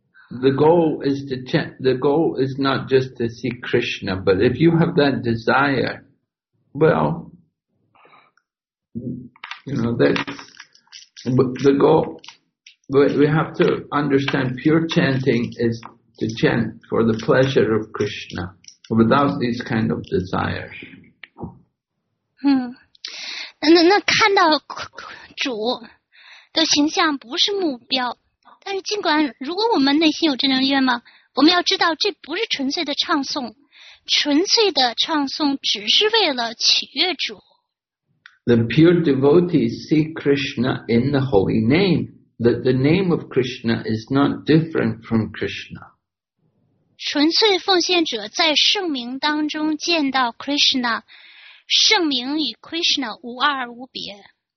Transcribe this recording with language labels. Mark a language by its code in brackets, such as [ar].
[en] The goal is not just to see Krishna, but if you have that desire, well, you know, we have to understand pure chanting is to chant for the pleasure of Krishna without these kind of desires. [zh] 那看到主的形象不是目标。但是尽管如果我们内心有这种愿望，我们要知道这不是纯粹的唱诵，纯粹的唱诵只是为了取悦主。 [en] The pure devotees see Krishna in the holy name, that the name of Krishna is not different from Krishna. [zh] 纯粹奉献者在圣名当中见到 Krishna, 圣名与 Krishna 无二无别。